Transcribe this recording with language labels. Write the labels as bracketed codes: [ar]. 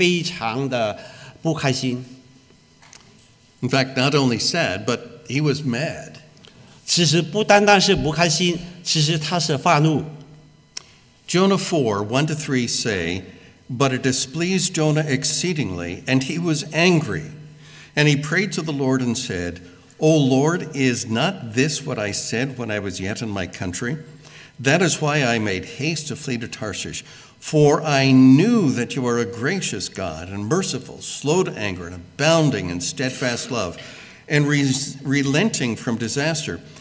[zh] 看见这个情景，他不是开心，而且是非常的不开心。 [en] In fact, not only sad, but he was mad. [zh] 其实不单单是不开心，其实他是发怒。 [en] Jonah 4, 1-3 say, But it displeased Jonah exceedingly, and he was angry. And he prayed to the Lord and said, O Lord, is not this what I said when I was yet in my country? That is why I made haste to flee to Tarshish, for I knew that you are a gracious God and merciful, slow to anger and abounding in steadfast love and relenting from disaster.